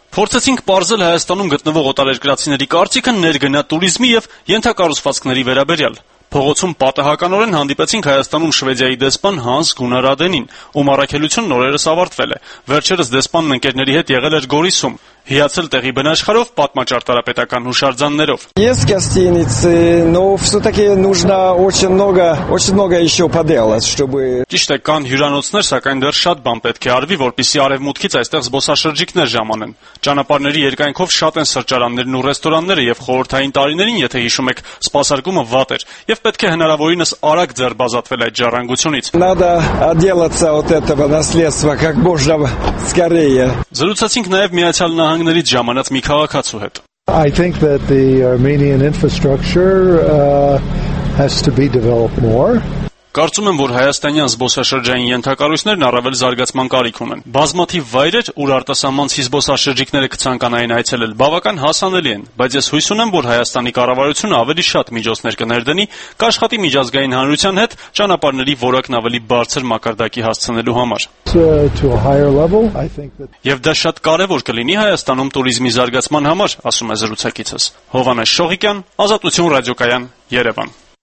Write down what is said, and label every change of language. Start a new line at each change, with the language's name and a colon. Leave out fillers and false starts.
Armenian: Փորձեցինք պարզել Հայաստանում գտնվող օտարերկրացիների կարծիքը ներգնա տուրիզմի եւ ենթակառուցվածքների վերաբերյալ։ Փողոցում պատահականորեն հանդիպեցինք Հայաստանում Շվեդիայի դեսպան Հանս Գունար Ադենին, ու մարակելությունն օրերս ավարտվել է։ Վերջերս դեսպանն ընկերների հետ եղել էր Գորիսում, հիացել տեղի բնաշխարով պատմաճարտարապետական հուշարձաններով։
Russian: Ես կստինից, но всё-таки нужно очень много ещё поделать, чтобы
Armenian: Ճիշտ է, կան հյուրանոցներ, սակայն դեռ շատ բան պետք է արվի, որպեսզի արևմուտքից այստեղ զբոսաշրջիկներ ժամանեն։ Ճանապարհների երկայնքով շատ են սրճարաններն ու ռեստորանները, եւ խորհրդային տարիներին, եթե հիշում եք, սպասարկումը վատ էր, եւ եւ պետք է հնարավորինս արագ ձերբազատվել այդ ժառանգությունից։
Russian: Надо отделаться от этого наследства как можно скорее։
Armenian: Զրուցացինք նաեւ Միացյալ Նահանգների ժամանած մի քաղաքացու հետ։
English: I think that the Armenian infrastructure has to be developed more.
Armenian: Կարծում եմ, որ հայաստանյան զբոսաշրջային ենթակառույցներն առավել զարգացման կարիք ունեն։ Բազմաթիվ վայրեր, ուր արտասահմանց զբոսաշրջիկները կցանկանային այցելել, բավական հասանելի են, բայց ես հույս ունեմ, որ հայաստանի կառավարությունը ավելի շատ միջոցներ կներդնի, կաշխատի միջազգային հանրության հետ ճանապարհների որակն ավելի բարձր մակարդակի հասցնելու համար։ Եվ դա շատ կարևոր կլինի Հայաստանում տուրիզմի զարգացման համար, ասում է զրուցակիցս։ Հովհանես Շողիկյան, Ազատություն ռադիոկայան, Երևան։